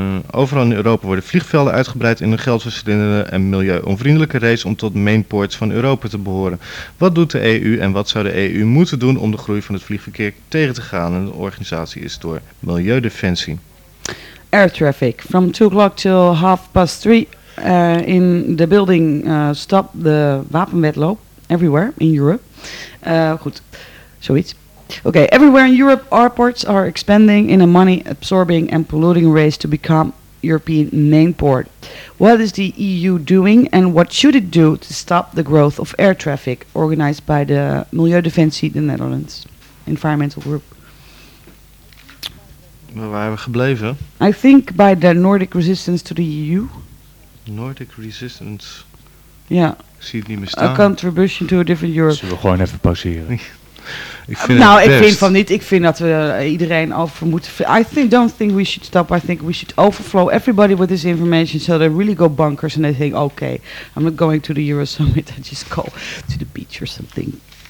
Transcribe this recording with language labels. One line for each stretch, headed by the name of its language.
Dutch: Overal in Europa worden vliegvelden uitgebreid in een geldverslindende en milieu-onvriendelijke race om tot mainports van Europa te behoren. Wat doet de EU en wat zou de EU moeten doen om de groei van het vliegverkeer tegen te gaan? En de organisatie is door Milieudefensie.
English: air traffic from 2 o'clock till 3:30 in the building. Stop the wapenwetloop everywhere in Europe.
Dutch: Goed, zoiets.
English: Okay, everywhere in Europe, airports are expanding in a money-absorbing and polluting race to become European main port. What is the EU doing and what should it do to stop the growth of air traffic organized by the Milieudefensie, the Netherlands Environmental Group?
Dutch: Waar waren we gebleven?
English: I think by the Nordic resistance to the EU. Nordic resistance? Ja. Yeah.
Dutch: Ik zie het niet meer staan.
English: A contribution to a different Europe.
Dutch: Zullen we gewoon even pauzeren? Ik vind nou, het ik vind van niet. Ik vind dat we iedereen over moeten.
English: I don't think we should stop. I think we should overflow everybody with this information so they really go bunkers and they think, okay, I'm not going to the Euro Summit. I just go to the beach or something.